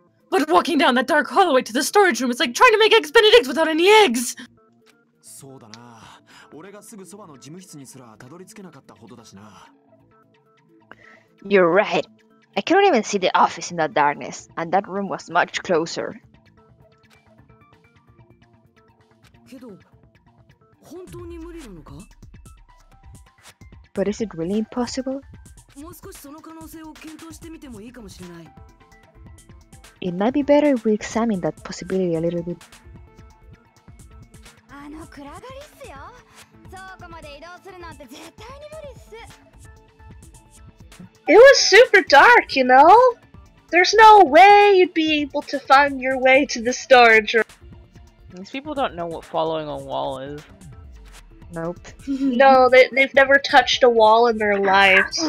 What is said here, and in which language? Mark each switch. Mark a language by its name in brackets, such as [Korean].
[English] But walking down that dark hallway to the storage room is like trying to make eggs benedict without any eggs! [Japanese] そうだな。俺がすぐそばの事務室にすらたどり着けなかったほどだしな。 [English] You're right. I couldn't even see the office in that darkness, and that room was much closer. [Japanese] けど、本当に無理なのか? [English] But is it really impossible? [Japanese] もう少しその可能性を検討してみてもいいかもしれない。 [English] It might be better if we examine that possibility a little bit. [Japanese] あの暗がりっすよ。倉庫まで移動するなんて絶対に無理っす。 [English] It was super dark, you know? There's no way you'd be able to find your way to the storage room. These people don't know what following a wall is. Nope. No, they've never touched a wall in their lives.